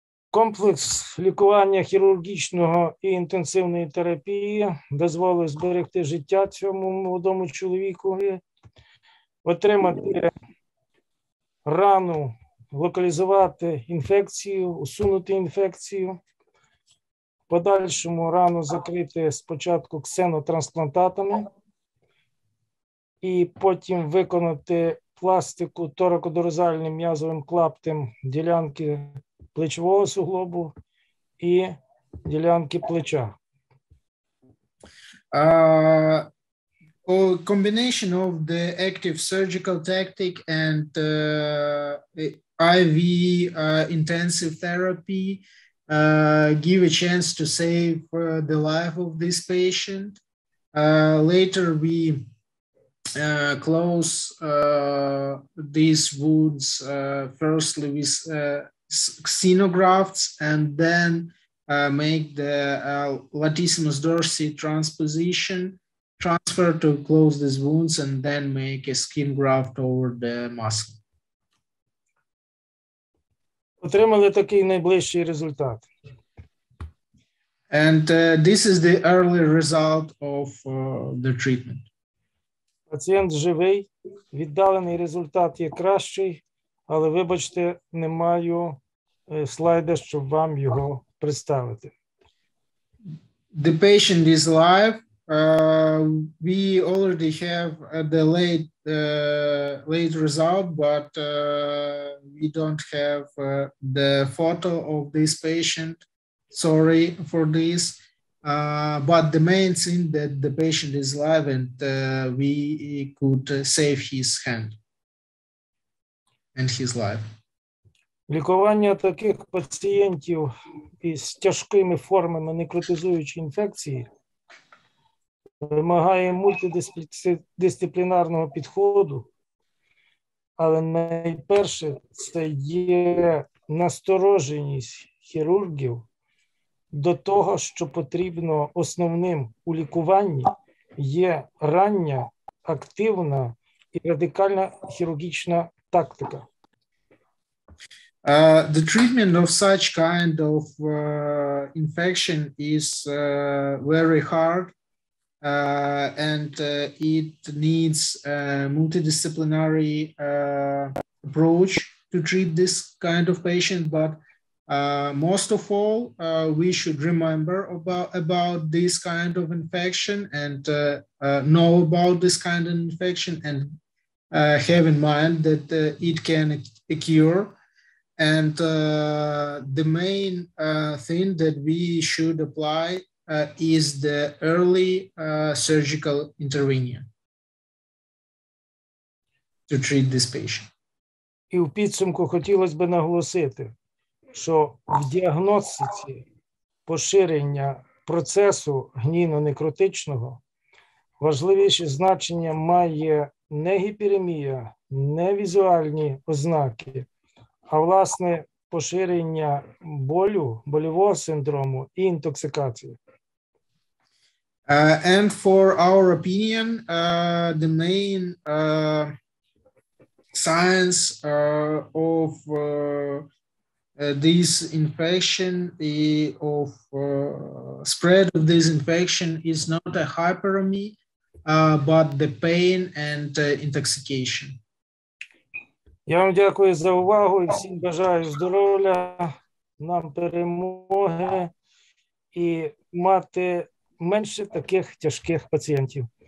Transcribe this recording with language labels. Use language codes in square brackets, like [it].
[uk] Комплекс лікування хірургічного і інтенсивної терапії дозволив зберегти життя цьому молодому чоловікові, отримати рану, локалізувати інфекцію, усунути інфекцію, подальшому рану закрити спочатку ксенотрансплантатами і потім виконати пластику торакодорзальним м'язовим клаптем ділянки плечевого суглобу і ділянки плеча. [en] Combination of the active surgical tactic and IV intensive therapy give a chance to save the life of this patient. Later we close these wounds firstly with xenografts and then make the latissimus dorsi transposition transfer to close these wounds and then make a skin graft over the muscle. [uk] Отримали такий найближчий результат. [en] And this is the early result of the treatment. [uk] Пацієнт живий, віддалений результат є кращий, але вибачте, не маю слайда, щоб вам його представити. [en] The patient is alive. We already have the late result, but we don't have the photo of this patient. Sorry for this. But the main thing that the patient is alive and we could save his hand. and his life. [uk] Лікування таких пацієнтів із тяжкими формами некротизуючої інфекції вимагає мультидисциплінарного підходу, але найперше це є настороженість хірургів до того, що потрібно основним у лікуванні є рання, активна і радикальна хірургічна тактика. [en] The treatment of such kind of infection is very hard and it needs a multidisciplinary approach to treat this kind of patient. But most of all, we should remember about this kind of infection and know about this kind of infection and have in mind that it can occur. And the main thing that we should apply is the early surgical intervention to treat this patient. [uk] І в підсумку хотілося б наголосити, що в діагностиці поширення процесу гнійно-некротичного важливіше значення має не гіперемія, не візуальні ознаки, а власне поширення болю, болевого синдрому і інтоксикації. [en] And for our opinion, the main signs of this infection, of spread of this infection is not a hyperemia, but the pain and intoxication. [uk] Я вам дякую за увагу і всім бажаю здоров'я, нам перемоги і мати менше таких тяжких пацієнтів.